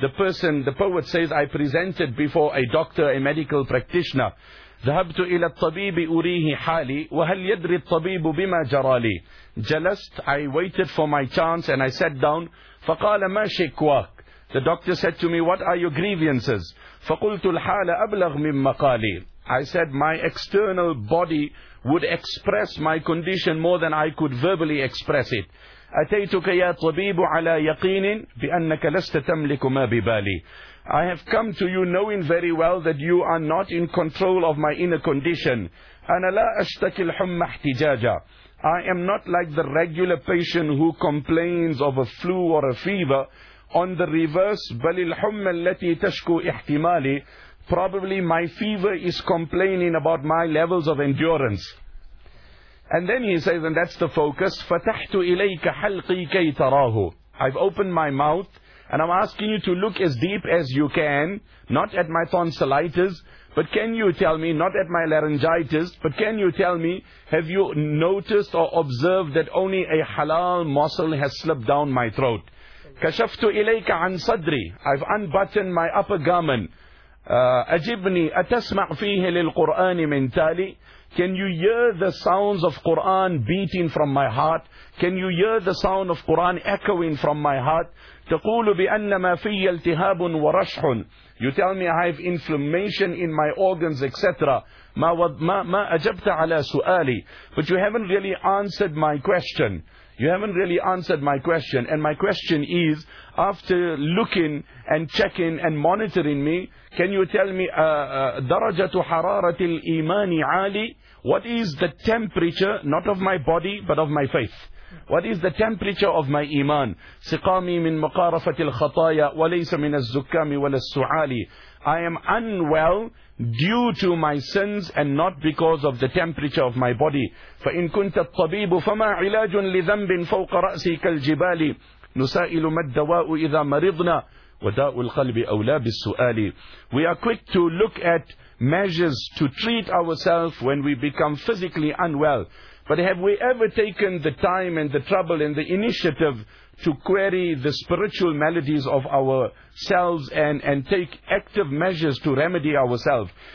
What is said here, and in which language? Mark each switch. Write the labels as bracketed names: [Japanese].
[English] The person, the poet says, I presented before a doctor, a medical practitioner. [Arabic] ذهبت إلى الطبيب أريه حالي وهل يدري الطبيب بما جرالي. جلست, [English] I waited for my chance and I sat down. [Arabic] فقال ما شكواك. [English] The doctor said to me, what are your grievances? [Arabic] فقلت الحال أبلغ من مقالي. [English] I said, my external body would express my condition more than I could verbally express it. [Arabic] أتيتك يا طبيب على يقين بأنك لست تملك ما ببالي. [English] I have come to you knowing very well that you are not in control of my inner condition. [Arabic] أنا لا أشتكي الحمى احتجاجا. [English] I am not like the regular patient who complains of a flu or a fever. On the reverse, [Arabic] بل الحمى التي تشكو احتمالي. [English] Probably my fever is complaining about my levels of endurance. And then he says, and that's the focus, [Arabic] فَتَحْتُ إِلَيْكَ حَلْقِي كَيْ تَرَاهُ. [English] I've opened my mouth, and I'm asking you to look as deep as you can, not at my tonsillitis, but can you tell me, not at my laryngitis, but can you tell me, have you noticed or observed that only a halal muscle has slipped down my throat? [Arabic] كَشَفْتُ إِلَيْكَ عَنْ صَدْرِي. [English] I've unbuttoned my upper garment. [Arabic] أَجِبْنِي أَتَسْمَعْ فِيهِ لِلْقُرْآنِ مِنْ تَالِي. [English] Can you hear the sounds of Quran beating from my heart? Can you hear the sound of Quran echoing from my heart? [Arabic] تقول بأنما في التهاب ورشح. [English] You tell me I have inflammation in my organs, etc. [Arabic] ما أجبت على سؤالي. [English] But you haven't really answered my question. You haven't really answered my question. And my question is, after looking and checking and monitoring me, can you tell me [Arabic] درجة حرارة الإيمان عالي? [English] What is the temperature, not of my body, but of my faith? What is the temperature of my iman? [Arabic] سقامي من مقارفة الخطايا وليس من الزكام ولا السعالي. [English] I am unwell due to my sins and not because of the temperature of my body. [Arabic] فإن كنت الطبيب فما علاج لذنب فوق رأسي كالجبال. نسائل ما الدواء إذا مرضنا وداء القلب أولى بالسؤال. [English] We are quick to look at measures to treat ourselves when we become physically unwell. But have we ever taken the time and the trouble and the initiative to query the spiritual maladies of ourselves and take active measures to remedy ourselves?